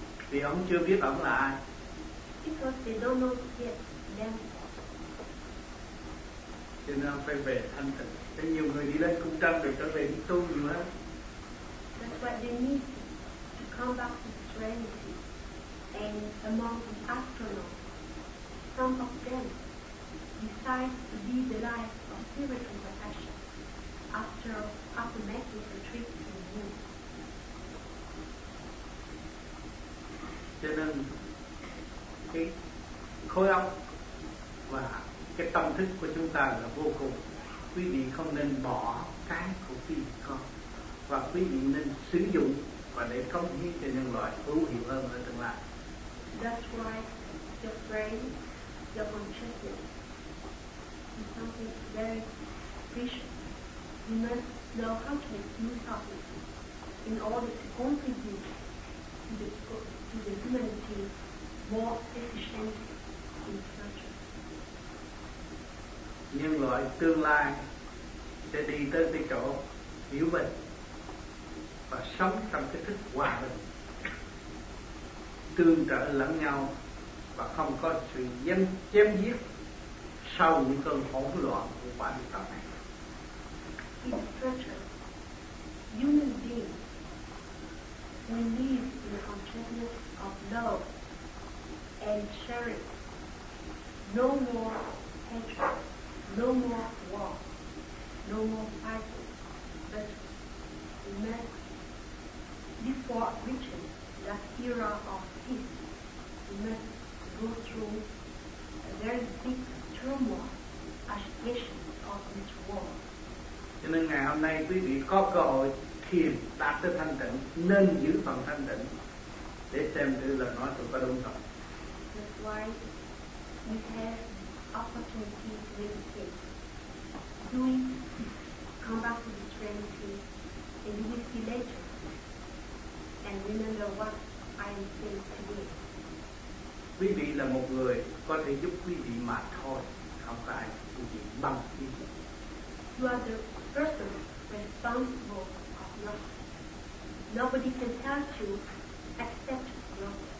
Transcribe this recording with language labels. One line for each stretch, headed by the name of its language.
Vietnamese: Vì ông chưa biết ông là ai.
English: Because they don't know yet them.
Vietnamese: Cho nên ông phải về thanh tịnh. Thế nhiều người đi lên cung trăng để trở về đi tu nhiều hết.
English: That's what they need to come back to serenity. And among the astronauts, some of them decide to live the life of spiritual perfection after making the trip to the moon.
Vietnamese: Cho nên cái khối óc và cái tâm thức của chúng ta là vô cùng. quý vị không nên bỏ cái của quý vị không, và quý vị nên sử dụng và để cống hiến cho nhân loại hữu hiệu hơn ở tương lai.
English: That's why your brain, your consciousness is something very special. You must know how to make use of it in order to contribute to the humanity more efficiently in the future.
Vietnamese: Nhân loại tương lai sẽ đi tới cái chỗ hiểu mình và sống trong cái thức hòa bình, tương trợ lẫn nhau và không có sự chém giết sau những cơn hỗn loạn của quả địa cầu này.
English: In future, human beings will live in a consciousness of love and sharing. No more hatred, no more war, no more fighting, but we must, before reaching that era of peace, we must go through a very big turmoil, agitation of this war.
Vietnamese: Cho nên ngày hôm nay quý vị có cơ hội thiền đạt tới thanh tịnh, nên giữ phần thanh tịnh để xem thử là nói tôi có đúng không.
English: That's why we have opportunity to meditate. Do it, come back to this reality, and you will see later. And remember what I said today.
Vietnamese: Quý vị là một người có thể giúp quý vị mà thôi, không phải quý vị bằng quý vị.
English: You are the person responsible of yourself. Nobody can help you except yourself.